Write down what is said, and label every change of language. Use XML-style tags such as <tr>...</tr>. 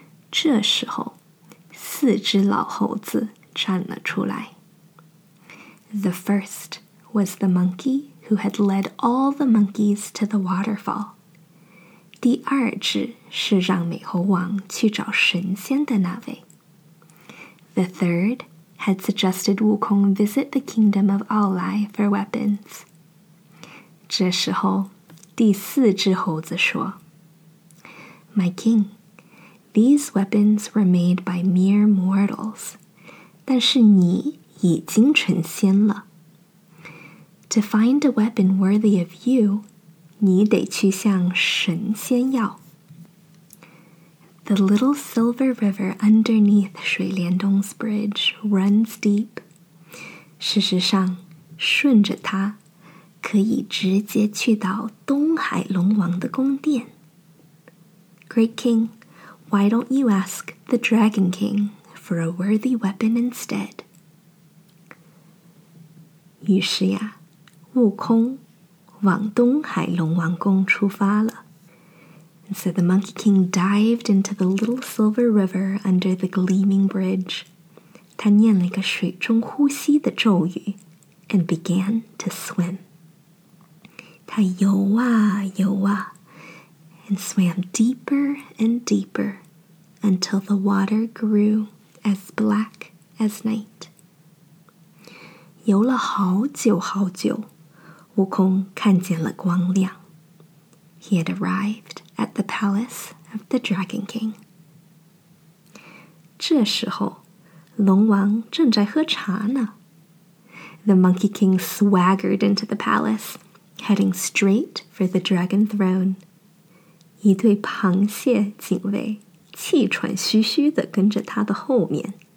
<zh>这时候，四只老猴子站了出来。</zh> <en>The first,was the monkey who had led all the monkeys to the waterfall.</en> <zh>第二只是让美猴王去找神仙的那位。</zh> <en>The third had suggested Wukong visit the kingdom of 傲来for weapons.</en> <zh>这时候第四只猴子说</zh> <en>My king, these weapons were made by mere mortals.</en> <zh>但是你已经成仙了。</zh> <en>To find a weapon worthy of you,</en> <zh>你得去向神仙要。</zh> <en>The little silver river underneath 水帘洞's bridge runs deep.</en> <zh>事实上，顺着它，可以直接去到东海龙王的宫殿。</zh> <en>Great King, why don't you ask the Dragon King for a worthy weapon instead?</en> <zh>于是呀悟空往东海龙王宫出发了。</zh> <en>And so the Monkey King dived into the little silver river under the gleaming bridge.</en> <zh>他念了一个水中呼吸的咒语</zh> <en>and began to swim.</en> <zh>他游啊游啊</zh> <en>and swam deeper and deeper until the water grew as black as night.</en> <zh>游了好久好久悟空看见了光亮。</zh> <en>He had arrived at the palace of the Dragon King.</en> <zh>这时候，龙王正在喝茶呢。</zh> <en>The Monkey King swaggered into the palace, heading straight for the Dragon Throne.</en> <zh>一对螃蟹警卫气喘吁吁地跟着他的后面。</zh>